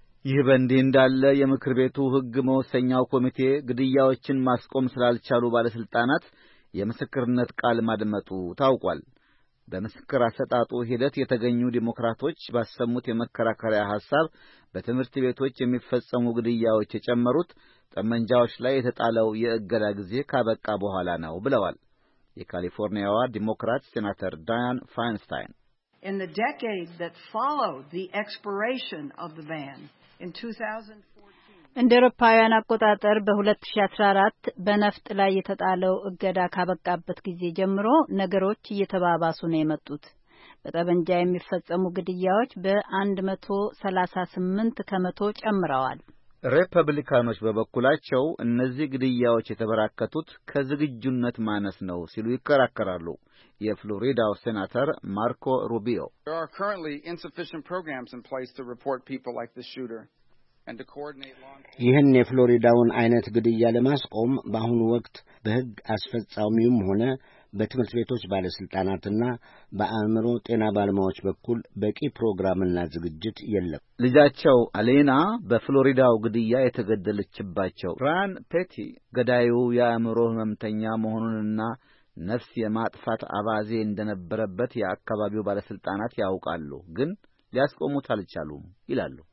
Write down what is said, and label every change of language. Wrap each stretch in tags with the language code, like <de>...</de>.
<am>ይህ በእንዲህ እንዳለ የምክር ቤቱ ህግ መወሰኛው ኮሚቴ ግድያዎችን ማስቆም ስላልቻሉ ባለስልጣናት የምስክርነት ቃል ማድመጡ ታውቋል። በምስክር አሰጣጡ ሂደት የተገኙ ዲሞክራቶች ባሰሙት የመከራከሪያ ሐሳብ በትምህርት ቤቶች የሚፈጸሙ ግድያዎች የጨመሩት ጠመንጃዎች ላይ የተጣለው የእገዳ ጊዜ ካበቃ በኋላ ነው ብለዋል። የካሊፎርኒያዋ ዲሞክራት ሴናተር ዳያን ፋይንስታይን</am> <en>In the decade that followed the expiration of the ban in 2014</en> <am>እንደ አውሮፓውያን አቆጣጠር በ2014 በነፍጥ ላይ የተጣለው እገዳ ካበቃበት ጊዜ ጀምሮ ነገሮች እየተባባሱ ነው የመጡት። በጠመንጃ የሚፈጸሙ ግድያዎች በ138 ከመቶ ጨምረዋል። ሪፐብሊካኖች በበኩላቸው እነዚህ ግድያዎች የተበራከቱት ከዝግጁነት ማነስ ነው ሲሉ ይከራከራሉ። የፍሎሪዳው ሴናተር ማርኮ ሩቢዮ</am> <en>There are currently insufficient programs in place to report people like this shooter and to coordinate long</en> <am>ይህን የፍሎሪዳውን አይነት ግድያ ለማስቆም በአሁኑ ወቅት በሕግ አስፈጻሚውም ሆነ በትምህርት ቤቶች ባለስልጣናትና በአእምሮ ጤና ባለሙያዎች በኩል በቂ ፕሮግራምና ዝግጅት የለም። ልጃቸው አሌና በፍሎሪዳው ግድያ የተገደለችባቸው ራን ፔቲ ገዳዩ የአእምሮ ህመምተኛ መሆኑንና ነፍስ የማጥፋት አባዜ እንደነበረበት የአካባቢው ባለስልጣናት ያውቃሉ፣ ግን ሊያስቆሙት አልቻሉም ይላሉ።</am>